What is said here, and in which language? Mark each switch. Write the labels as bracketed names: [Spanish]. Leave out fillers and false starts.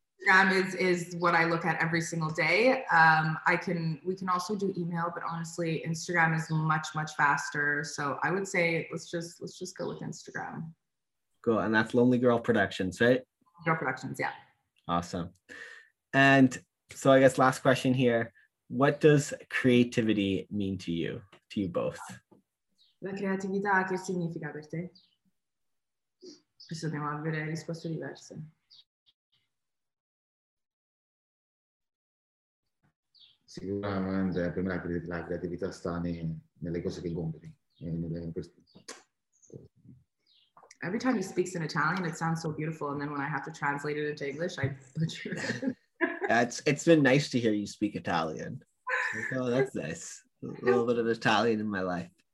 [English] Instagram is what I look at every single day. We can also do email, but honestly, Instagram is much, much faster. So I would say let's just go with Instagram. Cool. And that's Lonely Girl Productions, right? Girl Productions, yeah. Awesome. And so I guess last question here. What does creativity mean to you both? [Italian] La creatività che significa per te? Questo dobbiamo avere risposte diverse. Sicuramente, per me la creatività sta nelle cose che compri. [English] Every time he speaks in Italian, it sounds so beautiful. And then when I have to translate it into English, I butcher it. It's been nice to hear you speak Italian. Oh, that's nice. A little bit of Italian in my life.